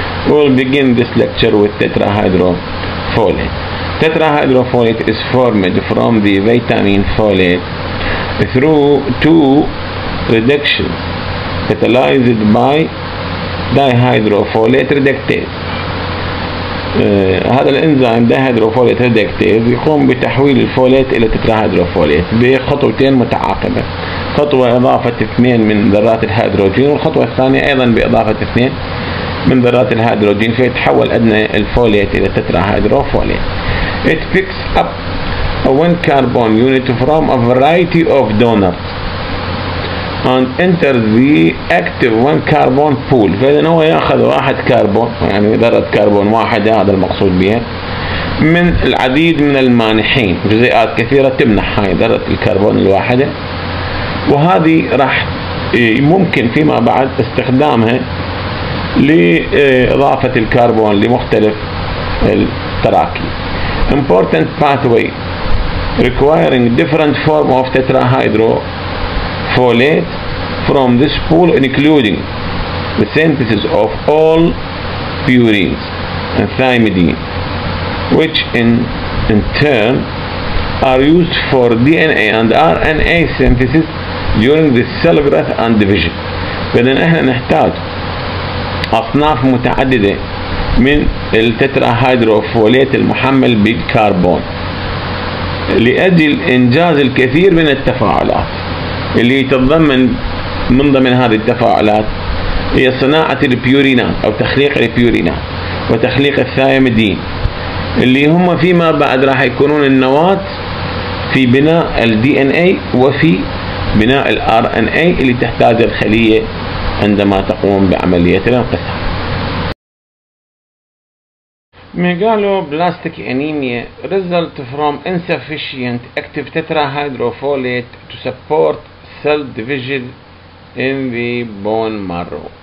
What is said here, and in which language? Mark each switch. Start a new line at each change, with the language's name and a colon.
English: We'll begin this lecture with tetrahydrofolate. Tetrahydrofolate is formed from the vitamin folate through two reductions catalyzed by dihydrofolate reductase.
Arabic: هذا الانزيم dihydrofolate reductase يقوم بتحويل الفولات الى tetrahydrofolate بخطوتين متعاقبة. خطوة إضافة 2 من ذرات الهيدروجين، والخطوة الثانية أيضا بإضافة 2 من ذرات الهيدروجين، فيتحول أدنى الفوليت إلى تترا هيدروفوليت.
English: It picks up one carbon unit from a variety of donors and enters the active one carbon pool.
Arabic: فإذا هو يأخذ واحد كربون، يعني ذرة كربون واحدة، هذا المقصود بها، من العديد من المانحين، جزيئات كثيرة تمنح هاي ذرة الكربون الواحدة، وهذه راح ممكن فيما بعد استخدامها لإضافة الكربون لمختلف التراكيب.
English: Important pathway requiring different form of tetrahydrofolate from this pool including the synthesis of all purines and thymidine which in turn are used for DNA and RNA synthesis during the cell growth and division.
Arabic: فإذن احنا نحتاج اصناف متعددة من التتراهيدروفوليت المحمل بالكربون لاجل انجاز الكثير من التفاعلات اللي تتضمن من ضمن هذه التفاعلات هي صناعة البيورينات او تخليق البيورينات وتخليق الثايمدين اللي هم فيما بعد راح يكونون النواة في بناء الـ DNA وفي بناء الـ RNA اللي تحتاج الخلية عندما تقوم بعملية الانقسام.
English: Megaloblastic anemia result from insufficient active tetrahydrofolate to support cell division in the bone marrow.